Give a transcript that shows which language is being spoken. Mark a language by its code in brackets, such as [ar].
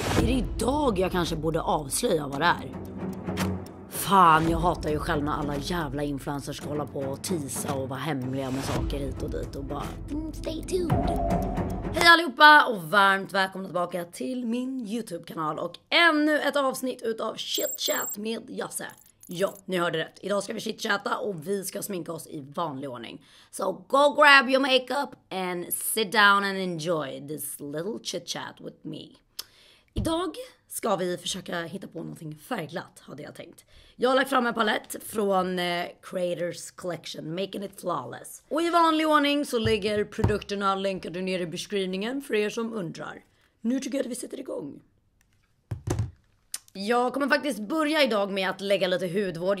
[sv] idag jag kanske borde avslöja vad det är. Fan, jag hatar ju själv när alla jävla influencers ska hålla på och tisa och vara hemliga med saker hit och dit och bara [en] stay tuned. [sv] Hej allihopa och varmt välkomna tillbaka till min YouTube-kanal och ännu ett avsnitt utav Chitchat med Jasse. Ja, ni hörde rätt. Idag ska vi chitchata och vi ska sminka oss i vanlig ordning. [en] So go grab your makeup and sit down and enjoy this little chitchat with me. [sv] Idag ska vi försöka hitta på någonting färgglatt, hade jag tänkt. Jag har lagt fram en palett från Creators Collection, Making It Flawless. Och i vanlig ordning så ligger produkterna länkade ner i beskrivningen för er som undrar. Nu tycker jag att vi sätter igång. Jag kommer faktiskt börja idag med att lägga lite hudvård.